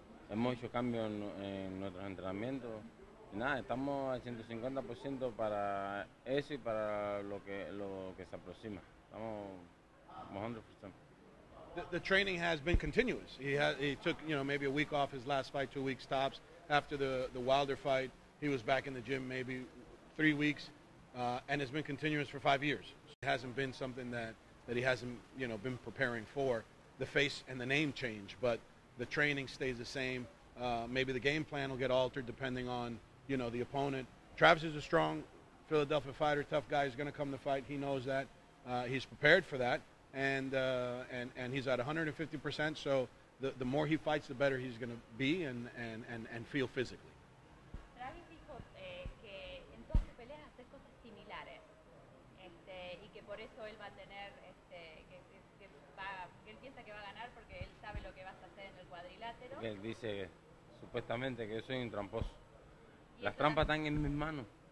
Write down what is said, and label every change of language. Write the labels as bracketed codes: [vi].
[es] Hemos hecho cambios en nuestros entrenamientos. Nada, estamos al 150% para eso y para lo que se aproxima. Estamos 100%. [en] The training has been continuous. He took, you know, maybe a week off his last fight, 2 weeks tops. After the Wilder fight, he was back in the gym maybe 3 weeks, and it's been continuous for 5 years. So it hasn't been something that he hasn't, you know, been preparing for. The face and the name change, but the training stays the same. Maybe the game plan will get altered depending on, you know, the opponent. Travis is a strong Philadelphia fighter, tough guy. He's going to come to fight. He knows that. He's prepared for that. And he's at 150%, so the more he fights, the better he's going to be and feel physically. [es] Travis dijo que en todas sus peleas hace cosas similares, y que por eso él va a tener, que él piensa que va a ganar porque él sabe lo que vas a hacer en el cuadrilátero. Él dice supuestamente que yo soy un tramposo. Las trampas están en mis manos.